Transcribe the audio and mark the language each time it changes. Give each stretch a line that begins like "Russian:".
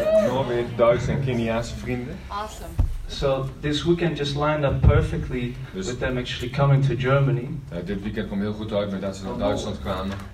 Dutch: Norwegian, Duits en Keniaanse vrienden.
English: Awesome. So this weekend just lined up perfectly with them actually coming to Germany.
Dutch: Dit weekend kwam heel goed uit met dat ze naar Duitsland kwamen.